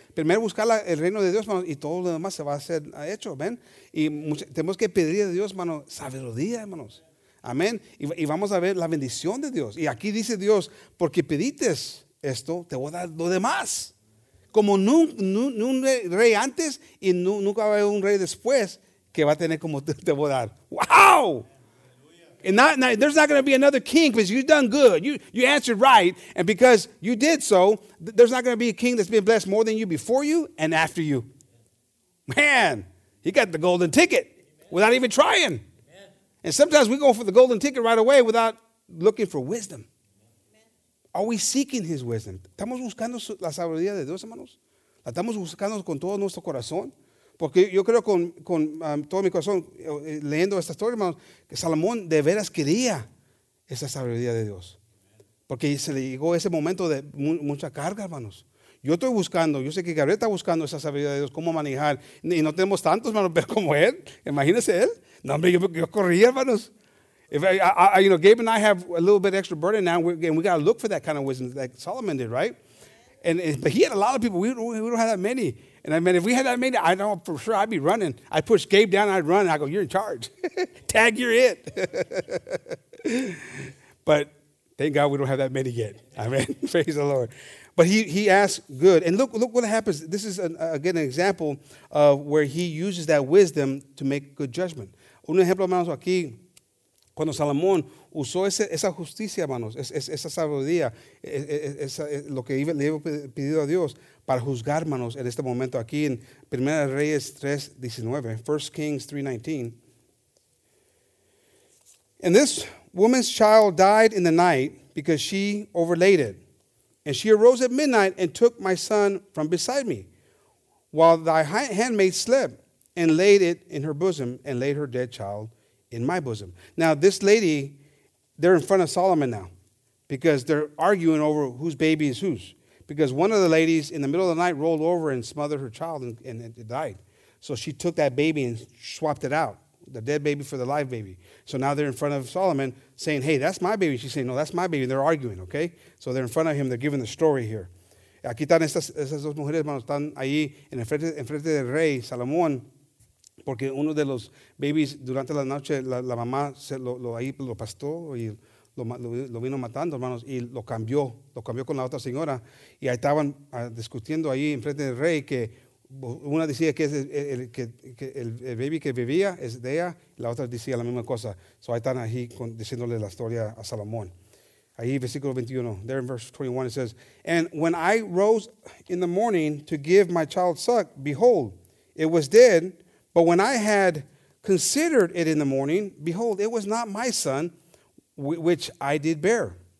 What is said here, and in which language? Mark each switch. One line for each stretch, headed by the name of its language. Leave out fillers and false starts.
Spanish: Primero buscar el reino de Dios, mano, y todo lo demás se va a hacer hecho. Amen. Y tenemos que pedir a Dios, mano, sabiduría, hermanos. Amén. Y vamos a ver la bendición de Dios. Y aquí dice Dios, porque pediste esto, te voy a dar lo demás. Como un rey antes y nunca va a haber un rey después que va a tener como te voy a dar. ¡Wow!
English: And there's not going to be another king because you've done good. You answered right. And because you did so, there's not going to be a king that's been blessed more than you before you and after you. Man, he got the golden ticket without even trying. And sometimes we go for the golden ticket right away without looking for wisdom. Are we seeking his wisdom?
Spanish: ¿Estamos buscando la sabiduría de Dios, hermanos? ¿La estamos buscando con todo nuestro corazón? Porque yo creo con todo mi corazón, leyendo esta historia, hermanos, que Salomón de veras quería esa sabiduría de Dios. Porque se le llegó ese momento de mucha carga, hermanos. Yo estoy buscando, yo sé que Gabriel está buscando esa sabiduría de Dios, cómo manejar. Y no tenemos tantos, hermanos, pero como él, imagínese él. No, hombre, yo corría, hermanos.
English: Gabe and I have a little bit extra burden now, and we got to look for that kind of wisdom that Solomon did, right? But he had a lot of people. We don't have that many. And I mean, if we had that many, I know for sure I'd be running. I'd push Gabe down, I'd run, and I'd go, you're in charge. Tag, you're it. But thank God we don't have that many yet. Amen. Praise the Lord. But he asked good. And look what happens. This is, again, an example of where he uses that wisdom to make good judgment.
Spanish: Un ejemplo, hermanos, aquí, cuando Salomón usó esa justicia, hermanos, esa sabiduría, lo que le iba pedido a Dios para juzgar, hermanos, en este momento aquí en 1 Reyes 3:19, 1 Kings 3:19.
English: And this woman's child died in the night because she overlaid it. And she arose at midnight and took my son from beside me while thy handmaid slept and laid it in her bosom and laid her dead child in my bosom. Now, this lady, they're in front of Solomon now because they're arguing over whose baby is whose. Because one of the ladies in the middle of the night rolled over and smothered her child and it died. So she took that baby and swapped it out, the dead baby for the live baby. So now they're in front of Solomon saying, hey, that's my baby. She's saying, no, that's my baby. And they're arguing, okay? So they're in front of him. They're giving the story here.
Spanish: Aquí están esas dos mujeres, hermanos, están ahí en frente del rey Salomón. Porque uno de los babies durante la noche, la mamá se lo pastó y lo vino matando, hermanos, y lo cambió con la otra señora. Y ahí estaban discutiendo ahí en frente del rey que una decía que es el baby que vivía es de ella, y la otra decía la misma cosa. So ahí están ahí diciéndole la historia a Salomón. Ahí versículo 21,
English: there in verse 21 it says, and when I rose in the morning to give my child suck, behold, it was dead. But when I had considered it in the morning, behold, it was not my son, which I did bear.